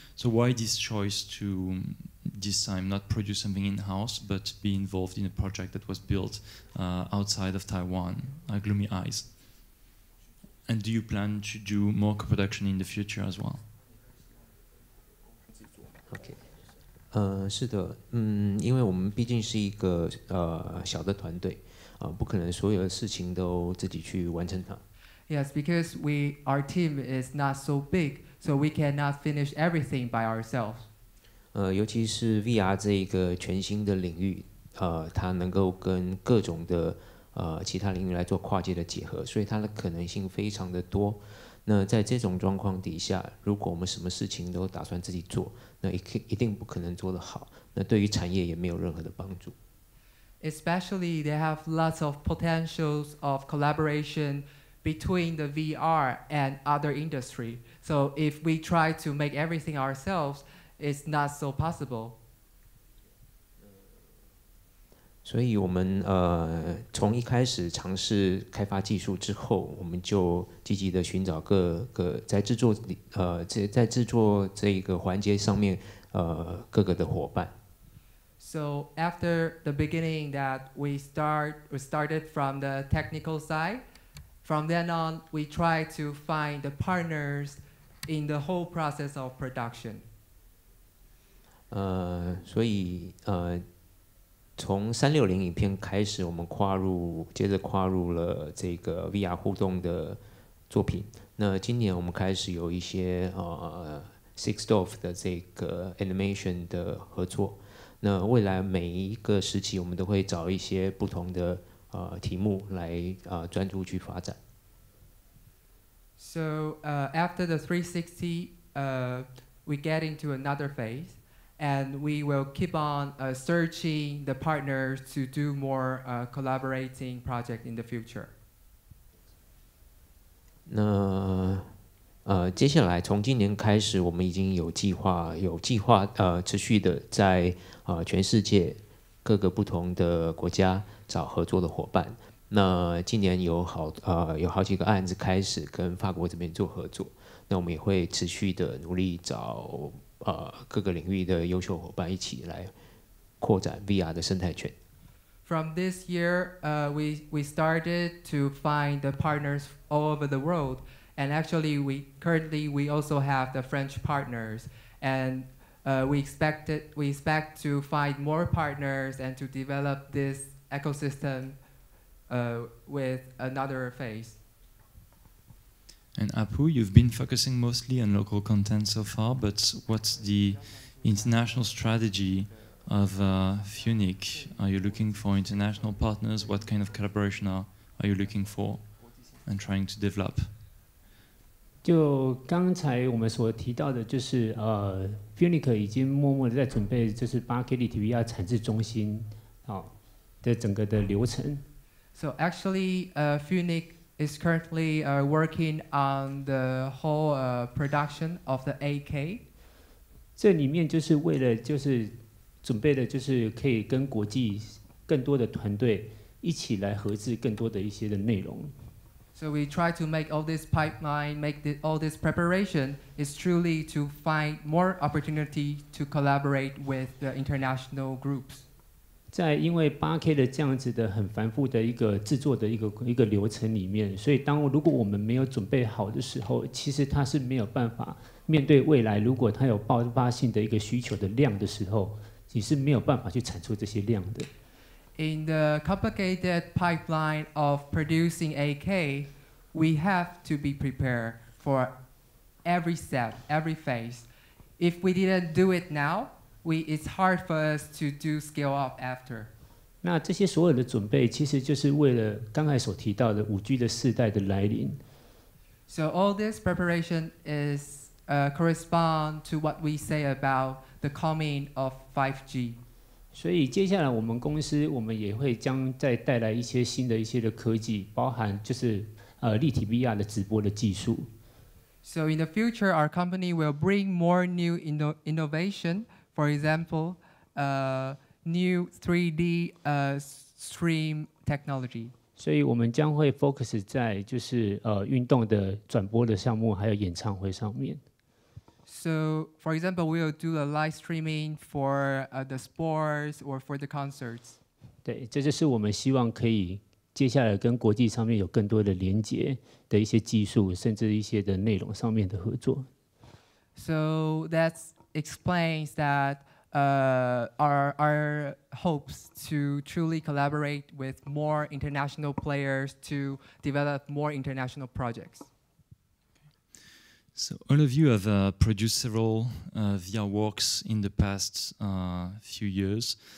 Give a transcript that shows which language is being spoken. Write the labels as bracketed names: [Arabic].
[English] So why this choice to this time not produce something in-house, but be involved in a project that was built outside of Taiwan, Gloomy Eyes? And do you plan to do more co-production in the future as well? Okay. [Chinese] 是的，因为我们毕竟是一个小的团队。不可能所有的事情都自己去完成它。 [English] Yes, because our team is not so big, so we cannot finish everything by ourselves. [Chinese] 尤其是 VR 这一个全新的领域，它能够跟各种的其他领域来做跨界的结合，所以它的可能性非常的多。那在这种状况底下，如果我们什么事情都打算自己做，那一定不可能做得好，那对于产业也没有任何的帮助。 [English] Especially they have lots of potentials of collaboration between the VR and other industry. So if we try to make everything ourselves, it's not so possible. [Chinese] 所以我们从一开始尝试开发技术之后，我们就积极的寻找各在制作在制作这一个环节上面各个的伙伴。 [English] So after the beginning that we started from the technical side, from then on, we try to find the partners in the whole process of production. [Chinese] 所以从360影片开始，我们跨入了这个 VR 互动的作品。那今年我们开始有一些6DOF 的这个 animation 的合作。那未来每一个时期，我们都会找一些不同的题目来专注去发展。 [English] So after the 360, we get into another phase, and we will keep on searching the partners to do more collaborating project in the future. [Chinese] 那接下来从今年开始，我们已经有计划持续的在全世界各个不同的国家找合作的伙伴。那今年有好几个案子开始跟法国这边做合作，那我们也会持续的努力找各个领域的优秀伙伴一起来扩展 VR 的生态圈。 [English] From this year, we started to find the partners all over the world, and actually we currently also have the French partners, and we expect to find more partners and to develop this ecosystem. With another phase. And Apu, you've been focusing mostly on local content so far, but what's the international strategy of Funique? Are you looking for international partners? What kind of collaboration are you looking for and trying to develop? [Chinese] 就刚才我们所提到的就是Funique 已经默默地在准备就是 8K 立体 VR 产制中心的整个的流程。 [English] So actually, Funique is currently working on the whole production of the 8K. [Chinese] 这里面就是为了就是准备的，就是可以跟国际更多的团队一起来合制更多的一些的内容。 [English] So we try to make all this pipeline, make all this preparation is truly to find more opportunity to collaborate with the international groups. [Chinese] 在因为 8K 的这样子的很繁复的一个制作的一个流程里面，所以当如果我们没有准备好的时候，其实它是没有办法面对未来，如果它有爆发性的一个需求的量的时候，你是没有办法去产出这些量的。 [English] In the complicated pipeline of producing 8K, we have to be prepared for every step, every phase. If we didn't do it now,it's hard for us to do scale up after. [Chinese] 那这些所有的准备其实就是为了刚才所提到的 5G 的世代的来临。 [English] So all this preparation is correspond to what we say about the coming of 5G. [Chinese] 所以接下来我们公司我们也会将再带来一些新的一些的科技，包含就是立体 VR 的直播的技术。 [English] So in the future, our company will bring more new innovation. For example, new 3D stream technology. [Chinese] 所以我们将会 focus 在就是运动的转播的项目，还有演唱会上面。 [English] So, for example, we'll do a live streaming for the sports or for the concerts. [Chinese] 对，这就是我们希望可以接下来跟国际上面有更多的连接的一些技术，甚至一些的内容上面的合作。 [English] So that's. Explains that our hopes to truly collaborate with more international players to develop more international projects. So all of you have produced several VR works in the past few years.